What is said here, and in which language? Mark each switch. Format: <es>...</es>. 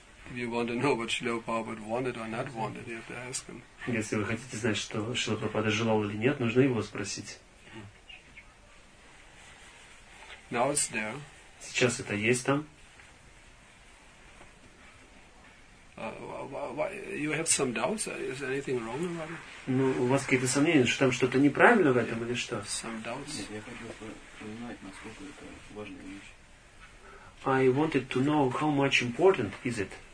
<en>If you want to know what Srila Prabhupada wanted or not wanted, you have to ask him.</en> <ru>Если вы хотите знать, что Шрила Прабхупада желал или нет, нужно его спросить.</ru> <en>Now it's there.</en> <ru>Сейчас это есть там.</ru> <en>You have some doubts? Is anything wrong about it?</en> <ru>Ну, у вас какие-то сомнения, что там что-то неправильно в этом или что?</ru> <en>Some doubts.</en> <ru>Нет, я хотел узнать, насколько это важная вещь.</ru> <en>I wanted to know how much important is it.</en>